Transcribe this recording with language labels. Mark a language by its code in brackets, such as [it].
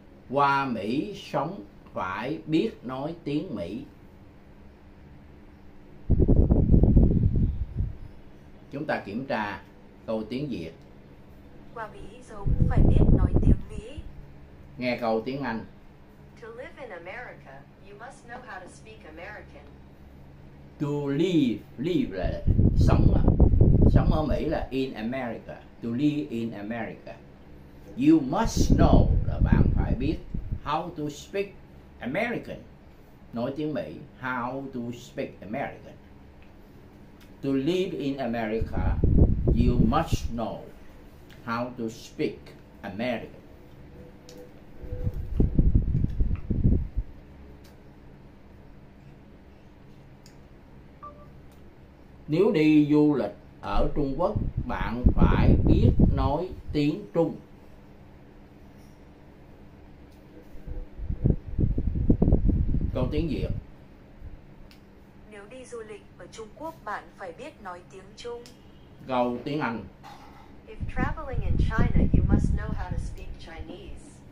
[vi] Qua Mỹ sống phải biết nói tiếng Mỹ. Chúng ta kiểm tra câu tiếng Việt. Qua Mỹ sống phải biết nói tiếng Mỹ. Nghe câu tiếng Anh. [en] To live in America, you must know how to speak American. To live [vi] là sống. Sống ở Mỹ là [en] in America. To live in America, you must know [vi] là bạn phải biết [en] how to speak American. [vi] Nói tiếng Mỹ, [en] how to speak American. To live in America, you must know how to speak American. [vi] Nếu đi du lịch ở Trung Quốc, bạn phải biết nói tiếng Trung. Câu tiếng Việt. Nếu đi du lịch ở Trung Quốc, bạn phải biết nói tiếng Trung. Câu tiếng Anh. [en] If traveling in China, you must know how to speak Chinese.